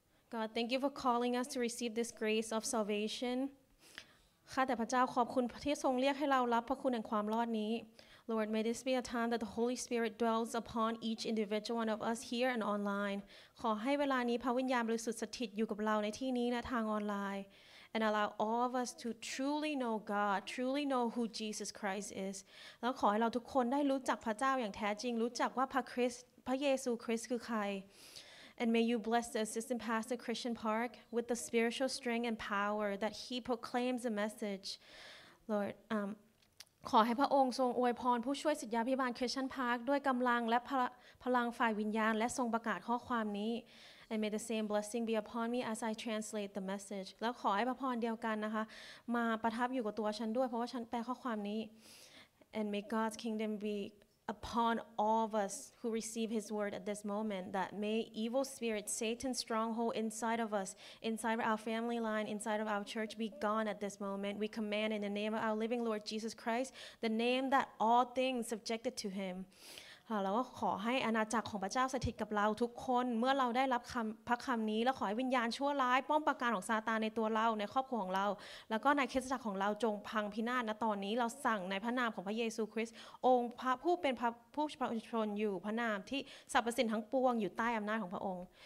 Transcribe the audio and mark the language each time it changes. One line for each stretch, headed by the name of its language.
English: God, thank you for calling us to receive this grace of salvation.
Thai: ค่ะแต่พระเจ้าขอบคุณที่ทรงเรียกให้เรารับพระคุณแห่งความรอดนี้
English: Lord, may this be a time that the Holy Spirit dwells upon each individual one of us here and online.
Thai: ขอให้เวลานี้พระวิญญาณบริสุทธิ์สถิตอยู่กับเราในที่นี้และทางออนไลน์
English: And allow all of us to truly know God, truly know who Jesus Christ is.
Thai: แล้วขอให้เราทุกคนได้รู้จักพระเจ้าอย่างแท้จริงรู้จักว่าพระคริสต์พระเยซูคริสต์คือใคร
English: And may you bless the assistant pastor Christian Park with the spiritual strength and power that he proclaims the message.
Thai: Lord, ขอให้พระองค์ทรงอวยพรผู้ช่วยศิษยาภิบาล Christian Park ด้วยกำลังและพลังฝ่ายวิญญาณและทรงประกาศข้อความนี้
English: And may the same blessing be upon me as I translate the message.
Thai: แล้วขอให้พระพรเดียวกันนะคะมาประทับอยู่กับตัวฉันด้วยเพราะว่าฉันแปลข้อความนี้
English: And may God's kingdom be upon all of us who receive His word at this moment, that may evil spirit, Satan's stronghold inside of us, inside of our family line, inside of our church, be gone at this moment. We command in the name of our living Lord Jesus Christ, the name that all things subjected to Him.
Thai: แล้วก็ขอให้อาณาจักรของพระเจ้าสถิตกับเราทุกคนเมื่อเราได้รับคำพระคำนี้แล้วขอให้วิญญาณชั่วร้ายป้องปราการของซาตานในตัวเราในครอบครัวของเราแล้วก็ในคริสตจักรของเราจงพังพินาศณตอนนี้เราสั่งในพระนามของพระเยซูคริสต์องค์พระผู้เป็นพระผู้ประชนอยู่พระนามที่สรรพสิ่งทั้งปวงอยู่ใต้อำนาจของพระองค์